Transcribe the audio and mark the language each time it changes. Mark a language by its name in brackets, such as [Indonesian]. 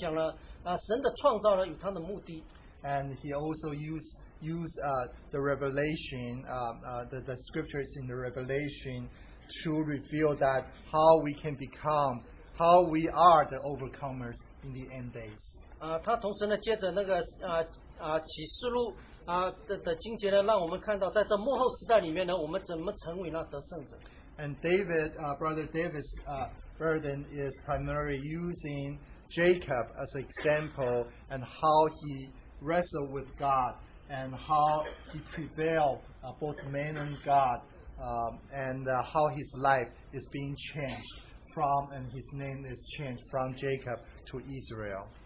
[Chinese] 我们江弟兄呢，他乃是分享了神的创造呢与他的目的。 [English] And he also used the revelation, the scriptures in the revelation to reveal that how we can become, how we are the overcomers in the end days. [Chinese] 他同时呢接着那个启示录的经节呢，让我们看到在这末后时代里面呢，我们怎么成为那得胜者。 [English] And David, Brother David's burden is primarily using Jacob as an example and how he wrestled with God and how he prevailed both man and God and how his life is being changed from and his name is changed from Jacob to Israel.